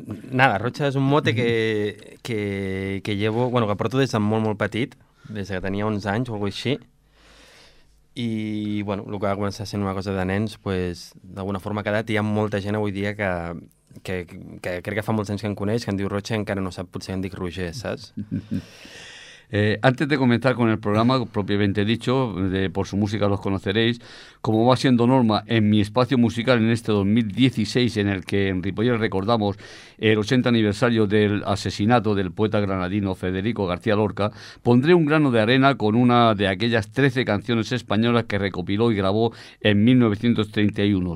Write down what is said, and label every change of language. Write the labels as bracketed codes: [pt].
[es] Nada, Rocha es un mote que llevo, bueno, que aporto desde muy, muy petit, desde que tenía 11 años o algo así. [ca] I, bueno, el que va començar sent una cosa de nens, pues, d'alguna forma ha quedat. Hi ha molta gent avui dia que crec que fa molts anys que em coneix, que em diu Roger, encara no sap, potser em dic Roger, saps? [es] Antes de comenzar con el programa, propiamente dicho, de Por su música los conoceréis, como va siendo norma en mi espacio musical en este 2016, en el que en Ripollet recordamos el 80 aniversario del asesinato del poeta granadino Federico García Lorca, pondré un grano de arena con una de aquellas 13 canciones españolas que recopiló y grabó en 1931.